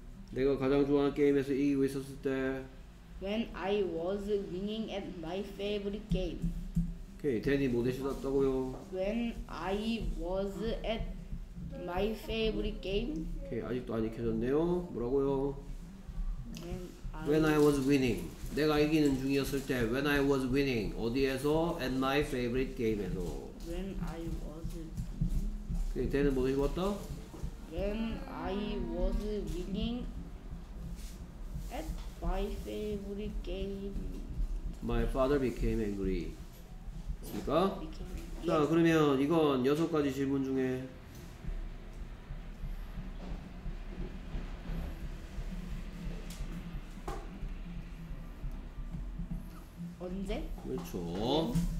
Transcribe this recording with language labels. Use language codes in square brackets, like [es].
[ko] 내가 가장 좋아하는 게임에서 이기고 있었을 때 [en] when I was winning at my favorite game. [ko] 오케이, 데니 뭐 대신했다고요? [en] When I was at my favorite game. [ko] 오케이, 아직도 안 익혀졌네요. 뭐라고요? [en] When I was winning. [ko] 내가 이기는 중이었을 때 [en] when I was winning. [ko] 어디에서? [en] At my favorite game에서. When I was winning. [ko] 오케이, 데니 뭐 대신했다? [en] When I was winning at my favorite game. My father became angry. [ko] 그니까 자 그러면 이건 여섯 가지 질문 중에 언제? 그렇죠.